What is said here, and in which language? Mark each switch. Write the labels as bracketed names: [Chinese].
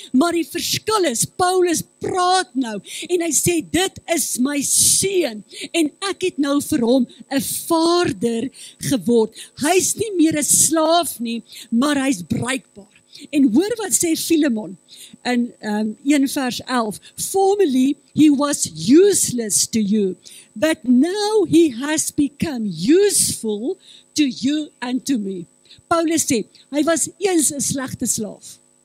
[Afrikaans] Maar die verskil is, Paulus praat nou en hy sê, dit is my seun en ek het nou vir hom 'n vader geword. Hy is nie meer 'n slaaf nie, maar hy is bruikbaar. En hoor wat sê Filemon in 1 vers 11. [English] Formerly he was useless to you, but now he has become useful to you and to me. [Afrikaans] Paulus sê, hy was eens 'n slegte slaaf.